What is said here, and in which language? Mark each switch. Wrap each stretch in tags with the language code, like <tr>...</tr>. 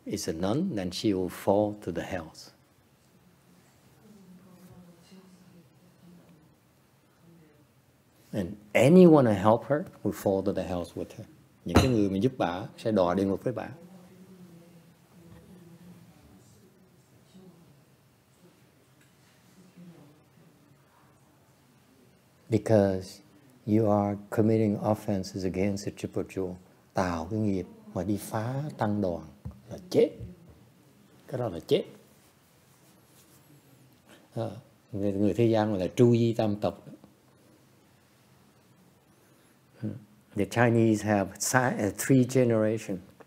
<en>Is a nun, then she will fall to the hells. And anyone who help her will fall to the hells with her.</en> <vi>Những cái người mà giúp bà sẽ đọa địa ngục với bà.</vi> <en>Because you are committing offenses against the triple jewel.</en> <vi>Tạo cái nghiệp mà đi phá tăng đoàn là chết. Cái đó là chết. Người thế gian gọi là tru di tam tộc.</vi> <en>The Chinese have three generations.</en>